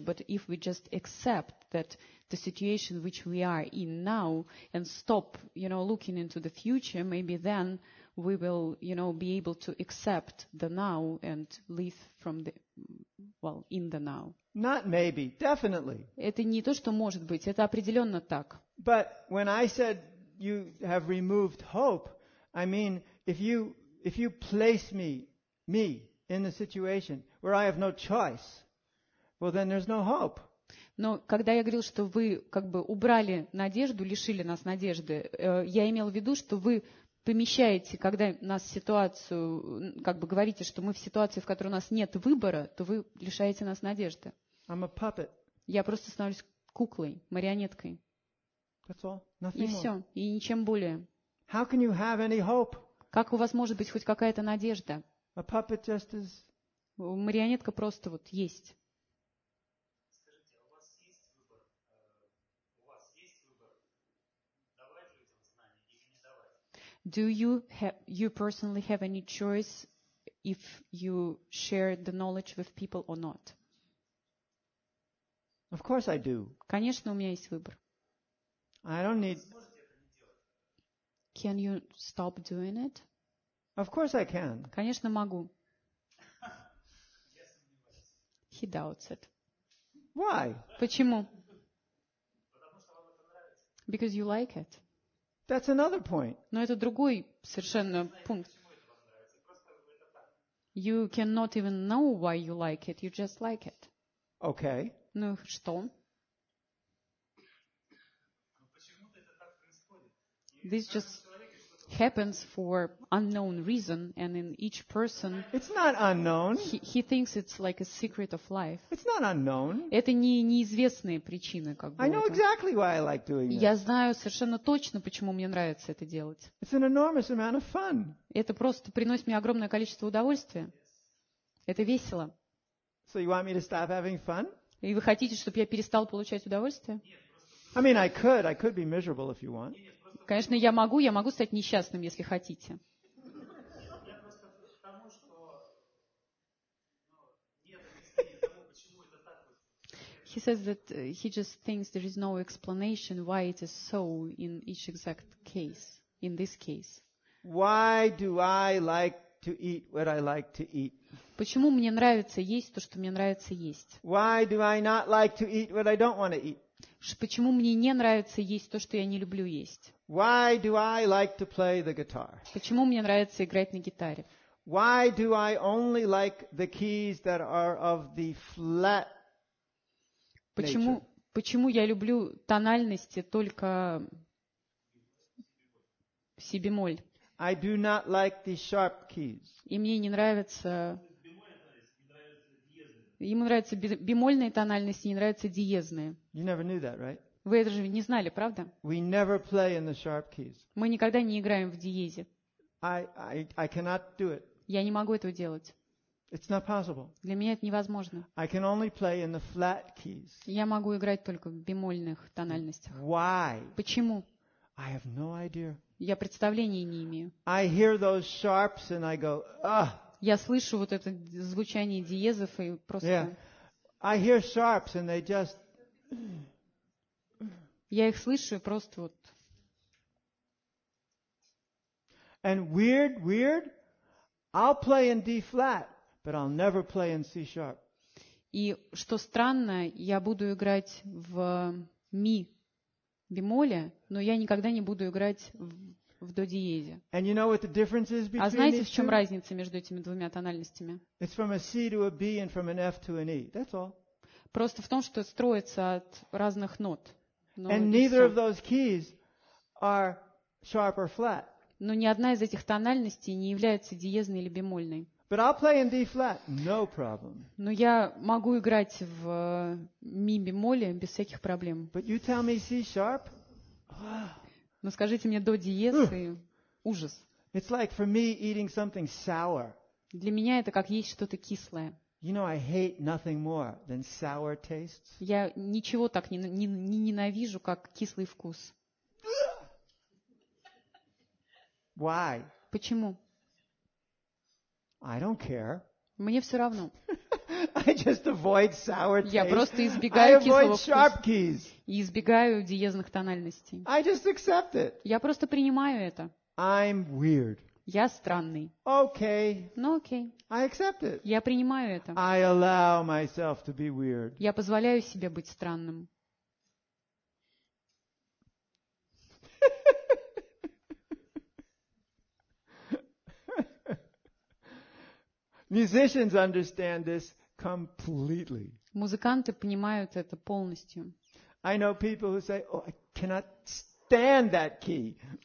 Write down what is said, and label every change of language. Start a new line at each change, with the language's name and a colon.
English: But if we just accept that the situation which we are in now and stop, you know, looking into the future, maybe then we will, you know, be able to accept the now and live from the, well, in the now. Not maybe, definitely.
Russian: Это не то, что может быть, это определенно так.
English: But when I said you have removed hope, I mean, if you place me in the situation where I have no choice, well, then there's no hope.
Russian: Но когда я говорил, что вы как бы убрали надежду, лишили нас надежды, я имел в виду, что вы помещаете, когда нас ситуацию, как бы говорите, что мы в ситуации, в которой у нас нет выбора, то вы лишаете нас надежды.
English: I'm a puppet.
Russian: Я просто становлюсь куклой, марионеткой.
English: That's all. Nothing
Russian: и все,
English: more.
Russian: И ничем более.
English: How can you have any hope?
Russian: Как у вас может быть хоть какая-то надежда?
English: A puppet just is...
Russian: Марионетка просто вот есть.
English: Do you personally have any choice if you share the knowledge with people or not? Of course I do.
Russian: Конечно, у меня есть выбор.
English: I don't need. Can you stop doing it? Of course I can.
Russian: Конечно, могу.
English: He doubts it. Why?
Russian: Почему?
English: Because you like it. That's another point.
Russian: Но это другой совершенно пункт.
English: You cannot even know why you like it. You just like it. Okay.
Russian: Ну что?
English: This just happens for unknown reason, and in each person, it's not unknown. He thinks it's like a secret of life. It's not unknown.
Russian: Это не неизвестная причина, как бы.
English: I know exactly why I like doing this.
Russian: Я знаю совершенно точно, почему мне нравится это делать.
English: It's an enormous amount of fun.
Russian: Это просто приносит мне огромное количество удовольствия. Это весело.
English: So you want me to stop having fun?
Russian: И вы хотите, чтобы я перестал получать удовольствие?
English: I mean, I could be miserable if you want.
Russian: Конечно, я могу стать несчастным, если хотите.
English: He says that he just thinks there is no explanation why it is so in each exact case, in this case. Why do I like to eat what I like to eat?
Russian: Почему мне нравится есть то, что мне нравится есть?
English: Why do I not like to eat what I don't want to eat?
Russian: Почему мне не нравится есть то, что я не люблю есть?
English: Why do I like to play the guitar?
Russian: Почему мне нравится играть на гитаре?
English: Why do I only like the keys that are of the flat nature?
Russian: Почему я люблю тональности только си бемоль?
English: I do not like the sharp keys.
Russian: И мне не нравится. Ему нравятся бемольные тональности, не нравятся диезные.
English: You never knew that, right?
Russian: Вы это же не знали, правда?
English: We never play in the sharp keys.
Russian: Мы никогда не играем в диезе.
English: I cannot do it.
Russian: Я не могу этого делать.
English: It's not possible.
Russian: Для меня это невозможно.
English: I can only play in the flat keys.
Russian: Я могу играть только в бемольных тональностях.
English: Why?
Russian: Почему?
English: I have no idea.
Russian: Я представления не имею.
English: I hear those sharps and I go, ugh.
Russian: Я слышу вот это звучание диезов и просто.
English: Yeah. I hear sharps and they just.
Russian: Я их слышу и просто вот.
English: And weird, I'll play in D flat, but I'll never play in C sharp.
Russian: И что странно, я буду играть в ми бемоле, но я никогда не буду играть в до диезе.
English: And you know what the difference is between?
Russian: А знаете, в чем разница между этими двумя тональностями?
English: It's from a C to a B and from an F to an E. That's all.
Russian: Просто в том, что строится от разных нот.
English: And neither of those keys are sharp or flat.
Russian: Но ни одна из этих тональностей не является диезной или бемольной.
English: But I'll play in D flat, no problem.
Russian: Но я могу играть в ми бемоле без всяких проблем.
English: But you tell me C sharp?
Russian: Но скажите мне до диез и ужас.
English: It's like for me eating something sour.
Russian: Для меня это как есть что-то кислое.
English: You know, I hate nothing more than sour tastes.
Russian: Я ничего так не ненавижу, как кислый вкус.
English: Why?
Russian: Почему?
English: I don't care.
Russian: Мне все равно.
English: I just avoid sour tastes.
Russian: Я просто избегаю кислого вкуса.
English: I avoid sharp keys.
Russian: И избегаю диезных тональностей.
English: I just accept it.
Russian: Я просто принимаю это.
English: I'm weird.
Russian: Я странный.
English: Okay.
Russian: Ну, окей.
English: I accept it.
Russian: Я принимаю это.
English: I allow myself to be weird.
Russian: Я позволяю себе быть странным.
English: Musicians understand this completely.
Russian: Музыканты понимают это полностью.
English: I know people who say, "Oh, I cannot stand that key."